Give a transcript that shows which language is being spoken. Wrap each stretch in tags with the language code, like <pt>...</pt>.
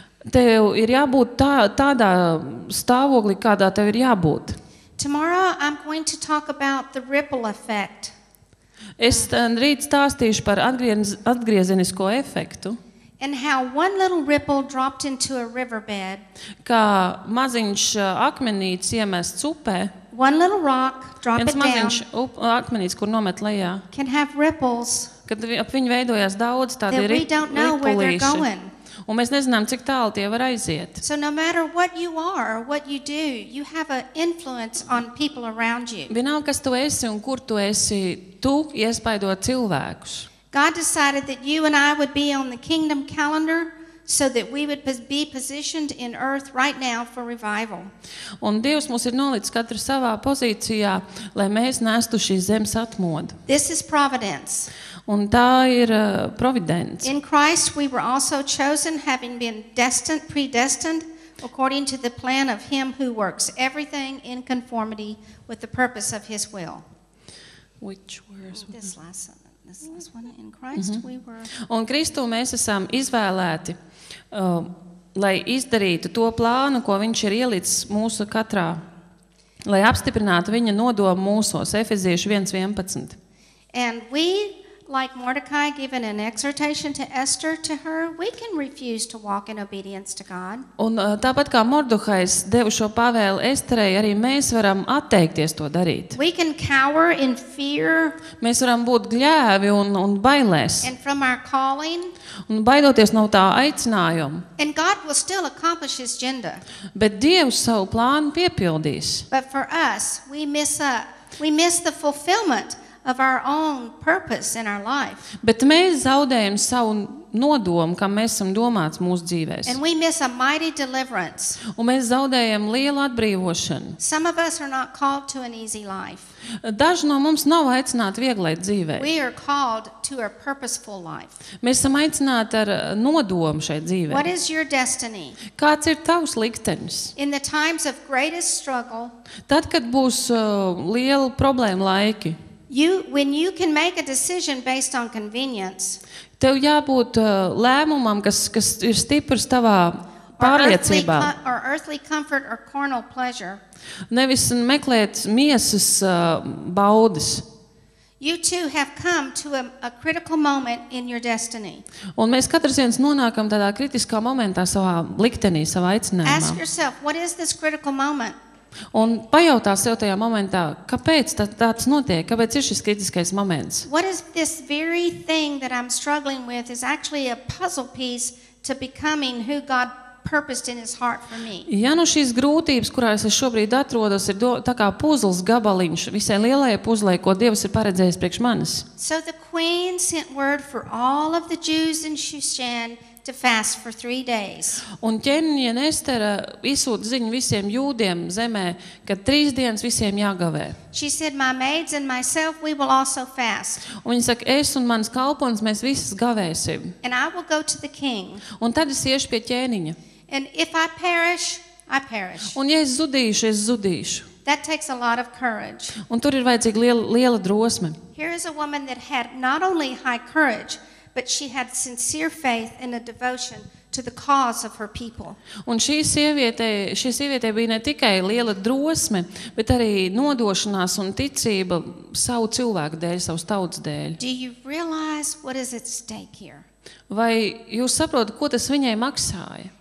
<lv>Tev ir jābūt tādā stāvoklī, kādā tev ir jābūt.</lv> <en>Tomorrow I'm going to talk about the ripple effect.</en> <lv>Es rīt stāstīšu par atgriezenisko efektu.</lv> <en>And how one little ripple dropped into a riverbed.</en> <lv>Kā maziņš akmenīts iemests upē.</lv> <en>One little rock drop it down.</en> <lv>Viens maziņš akmenīts, kur nomet lejā.</lv> <en>Can have ripples.</en> <lv>Kad ap viņu veidojas daudz tādi ripulīši.</lv> <en>We don't know where they're going.</en> <lv>Un mēs nezinām, cik tālu tie var aiziet.</lv> <en>So no matter what you are or what you do, you have an influence on people around you.</en> <lv>Vienalga, kas tu esi un kur tu esi, tu iespaido cilvēkus.</lv> <en>God decided that you and I would be on the kingdom calendar so that we would be positioned in earth right now for revival.</en> <lv>Un Dievs mūs ir nolicis katru savā pozīcijā, lai mēs nestu šī zemes atmodu.</lv> <en>This is providence.</en> <lv>Un tā ir providence.</lv> <en>In Christ we were also chosen, having been predestined according to the plan of him who works everything in conformity with the purpose of his will. Which words? This last one. This last one. In Christ we were.</en> <lv>Un Kristu mēs esam izvēlēti, lai izdarītu to plānu, ko viņš ir ielicis mūsu katrā, lai apstiprinātu viņa nodomu mūsos. Efeziešu 1:11.</lv> <en>And we like Mordecai giving an exhortation to Esther to her, we can refuse to walk in obedience to God.</en> <lv>Un tāpat kā Mordehais devu šo pavēlu Esterei, arī mēs varam atteikties to darīt.</lv> <en>We can cower in fear.</en> <lv>Mēs varam būt gļēvi un bailēs.</lv> <en>And from our calling.</en> <lv>Un baidoties no tā aicinājuma.</lv> <en>And God will still accomplish his agenda.</en> <lv>Bet Dievs savu plānu piepildīs.</lv> <en>But for us, we miss the fulfillment of our own purpose in our life.</en> <lv>Bet mēs zaudējam savu nodomu, kam mēs esam domāts mūsu dzīvēs.</lv> <en>And we miss a mighty deliverance.</en> <lv>Un mēs zaudējam lielu atbrīvošanu.</lv> <en>Some of us are not called to an easy life.</en> <lv>Daži no mums nav aicināti vieglai dzīvei.</lv> <en>We are called to a purposeful life.</en> <lv>Mēs esam aicināti ar nodomu šai dzīvei.</lv> <en>What is your destiny?</en> <lv>Kāds ir tavs liktenis?</lv> <en>In the times of greatest struggle.</en> <lv>Tad, kad būs liela problēma laiki.</lv> <en>When you can make a decision based on convenience.</en> <lv>Tev jābūt lēmumam, kas ir stiprs tavā pārliecībā.</lv> <en>Or earthly comfort or carnal pleasure.</en> <lv>Nevis meklēt miesas baudas.</lv> <en>You too have come to a critical moment in your destiny.</en> <lv>Un mēs katrs viens nonākam tādā kritiskā momentā savā liktenī, savā aicinājumā.</lv> <en>Ask yourself, what is this critical moment?</en> <lv>Un pajautā sev tajā momentā, kāpēc tāds notiek, kāpēc ir šis kritiskais moments?</lv> <en>What is this very thing that I'm struggling with is actually a puzzle piece to becoming who God purposed in his heart for me.</en> <lv>Ja nu šīs grūtības, kurās es šobrīd atrodos, ir tā kā puzzles gabaliņš visai lielajai puzlē, ko Dievs ir paredzējis priekš manis.</lv> <en>So the queen sent word for all of the Jews in Shushan to fast for 3 days.</en> <lv>Un ķēniņa Estera izsūta ziņu visiem jūdiem zemē, ka 3 dienas visiem jāgavē.</lv> <en>She said, my maids and myself, we will also fast.</en> <lv>Un viņa saka, es un manas kalpones, mēs visas gavēsim.</lv> <en>And I will go to the king.</en> <lv>Un tad es iešu pie ķēniņa.</lv> <en>And if I perish, I perish.</en> <lv>Un ja es zudīšu, es zudīšu.</lv> <en>That takes a lot of courage.</en> <lv>Un tur ir vajadzīga liela drosme.</lv> <en>Here is a woman that had not only high courage, but she had sincere faith and a devotion to the cause of her people.</en> <lv>Un šī sieviete bija ne tikai liela drosme, bet arī nodošanās un ticība savu cilvēku dēļ, savu tautas dēļ.</lv> <en>Do you realize what is at stake here?</en> <lv>Vai jūs saprotat, ko tas viņai maksāja?</lv>